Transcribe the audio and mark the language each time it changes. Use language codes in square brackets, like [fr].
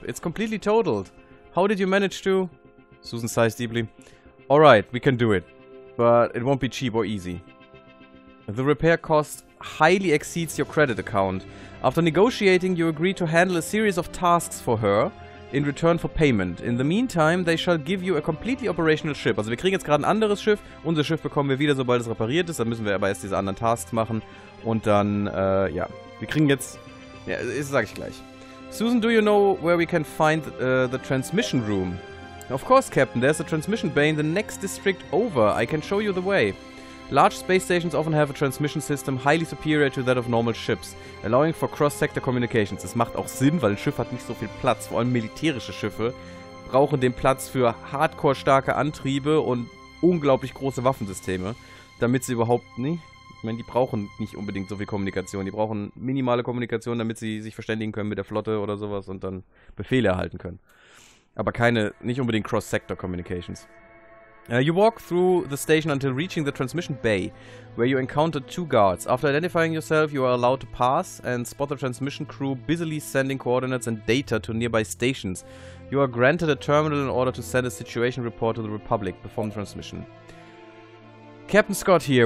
[en] It's completely totaled. How did you manage to... Susan sighs deeply. Alright, we can do it. But it won't be cheap or easy. The repair cost highly exceeds your credit account. After negotiating, you agree to handle a series of tasks for her in return for payment. In the meantime, they shall give you a completely operational ship. [de] Also wir kriegen jetzt gerade ein anderes Schiff. Unser Schiff bekommen wir wieder, sobald es repariert ist. Dann müssen wir aber erst diese anderen Tasks machen. Und dann, ja. Wir kriegen jetzt... Ja, das sag ich gleich. [en] Susan, do you know where we can find the transmission room? Of course, Captain. There's a transmission bay in the next district over. I can show you the way. Large space stations often have a transmission system highly superior to that of normal ships, allowing for cross-sector communications. [de] Das macht auch Sinn, weil ein Schiff hat nicht so viel Platz. Vor allem militärische Schiffe brauchen den Platz für hardcore-starke Antriebe und unglaublich große Waffensysteme, damit sie überhaupt nicht... Ich meine, die brauchen nicht unbedingt so viel Kommunikation. Die brauchen minimale Kommunikation, damit sie sich verständigen können mit der Flotte oder sowas und dann Befehle erhalten können. Aber keine, nicht unbedingt Cross-Sector Communications. [en] You walk through the station until reaching the transmission bay, where you encounter two guards. After identifying yourself, you are allowed to pass and spot the transmission crew busily sending coordinates and data to nearby stations. You are granted a terminal in order to send a situation report to the Republic, perform the transmission. Captain Scott here.